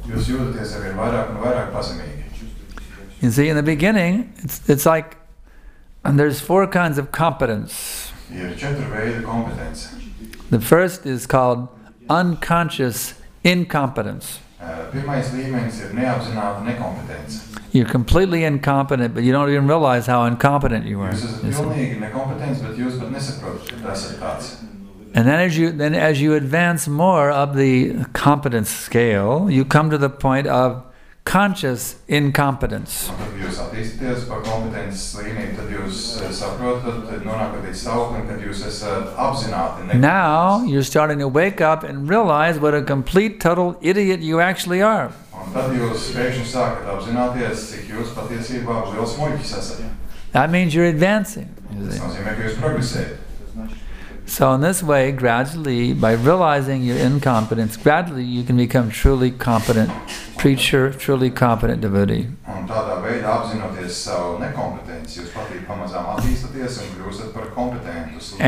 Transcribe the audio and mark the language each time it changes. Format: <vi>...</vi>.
<en>You see, in the beginning, it's like, and there's four kinds of competence. The first is called unconscious incompetence.</en> <lv>Pirmais līmenis ir neapzināta nekompetence.</lv> <en>You're completely incompetent, but you don't even realize how incompetent you are.</en> <lv>Jūs esat pilnīgi nekompetents, bet jūs pat nesaprotat, ka tas ir tāds.</lv> <en>And then as you advance more up the competence scale, you come to the point of conscious incompetence.</en> <lv>Tad jūs attīstīties par kompetences līmeni, tad jūs saprotat, nonākat līdz stāvoklim, kad jūs esat apzināti nekompetents.</lv> <en>Now you're starting to wake up and realize what a complete total idiot you actually are.</en> <lv>Tad jūs pēkšņi sākat apzināties, cik jūs patiesībā liels muļķis esat.</lv> <en>That means you're advancing.</en> <lv>Tas nozīmē, ka jūs progresējat.</lv> <en>So in this way, gradually, by realizing your incompetence, gradually you can become truly competent preacher, truly competent devotee.</en> <lv>Un tādā veidā apzinoties savu nekompetenci, jūs patīk pamazām attīstoties un kļūstat par kompetentu.</lv>